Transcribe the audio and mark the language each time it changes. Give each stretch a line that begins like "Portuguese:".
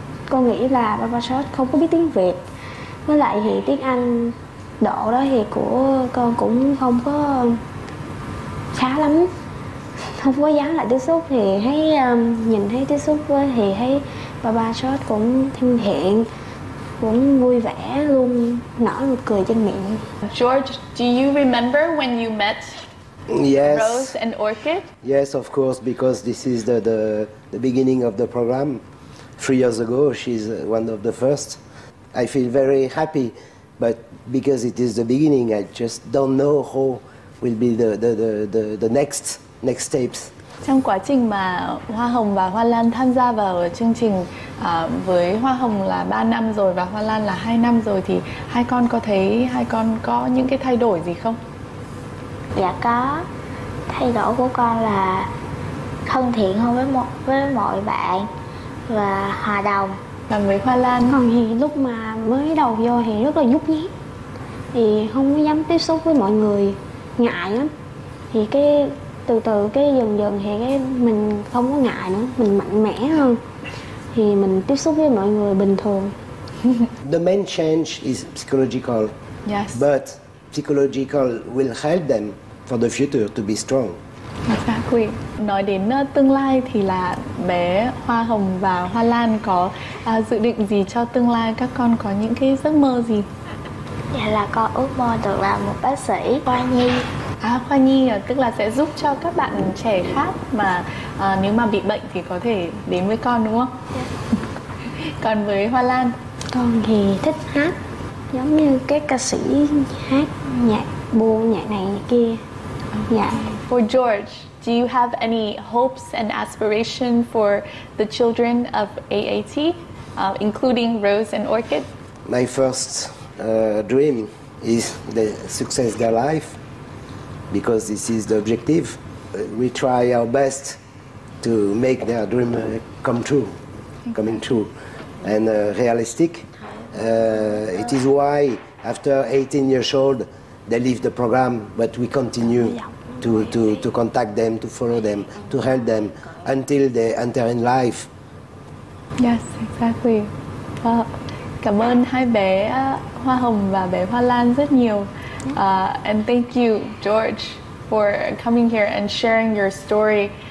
Vietnamese: Con nghĩ là Papa George không có biết tiếng Việt. Với lại thì tiếng Anh độ đó thì của con cũng không có khá lắm, không có dám lại tiếp xúc thì thấy nhìn thấy tiếp xúc thì thấy Papa George cũng thân thiện, cũng vui vẻ, luôn nở nụ cười trên miệng.
English: George, do you remember when you met? Yes. Rose and Orchid? Yes, of course, because this is the beginning of the program. 3 years ago, she's one of the first. I feel very happy, but because it is the beginning, I just don't know how will be the next steps.
Vietnamese: Trong quá trình mà Hoa Hồng và Hoa Lan tham gia vào chương trình với Hoa Hồng là 3 năm rồi và Hoa Lan là 2 năm rồi, thì hai con có thấy hai con có những cái thay đổi gì không? Dạ có. Thay đổi của con là thân thiện hơn với mọi bạn và hòa đồng. Còn với Hoa Lan? Còn thì lúc mà mới đầu vô thì rất là nhút nhát, thì không có dám tiếp xúc với mọi người, ngại lắm. Thì cái từ từ cái dần dần thì cái mình không có ngại nữa, mình mạnh mẽ hơn, thì mình tiếp xúc với mọi người bình thường.
English: The main change is psychological. Yes. But psychological will help them for the future to be strong. Exactly.
Vietnamese: Nói đến tương lai thì là bé Hoa Hồng và Hoa Lan có dự định gì cho tương lai? Các con có những cái giấc mơ gì? Dạ là con ước mơ được làm một bác sĩ khoa nhi. À, khoa nhi tức là sẽ giúp cho các bạn trẻ khác mà nếu mà bị bệnh thì có thể đến với con đúng không? Dạ. Còn với Hoa Lan? Con thì thích hát, giống như các ca sĩ hát nhạc buôn nhạc này nhạc kia.
English: Okay.
Vietnamese: Dạ.
English: For George, do you have any hopes and aspiration for the children of AAT, including Rose and Orchid? My first dream is the success of their life, because this is the objective. We try our best to make their dream come true, coming true, and realistic. It is why after 18 years old, they leave the program, but we continue to contact them, to follow them, to help them until they enter in life. Yes, exactly.
Vietnamese: Cảm ơn hai bé Hoa Hồng và bé Hoa Lan rất nhiều.
English: And thank you, George, for coming here and sharing your story.